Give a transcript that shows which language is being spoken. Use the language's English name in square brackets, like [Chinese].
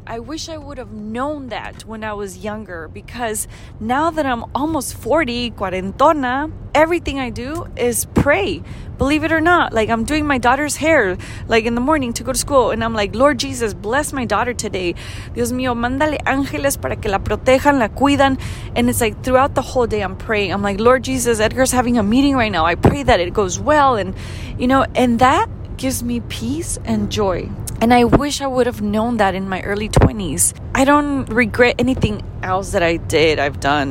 [English] I wish I would have known that when I was younger, because now that I'm almost 40, [Spanish] cuarentona, [English] everything I do is pray. Believe it or not, like, I'm doing my daughter's hair, like, in the morning to go to school, and I'm like, Lord Jesus, bless my daughter today. [Spanish] Dios mío, mándale ángeles para que la protejan, la cuidan. [English] And it's like throughout the whole day I'm praying. I'm like, Lord Jesus, Edgar's having a meeting right now. I pray that it goes well. And, you know, and that gives me peace and joy. And I wish I would have known that in my early 20s. I don't regret anything else that I did, I've done.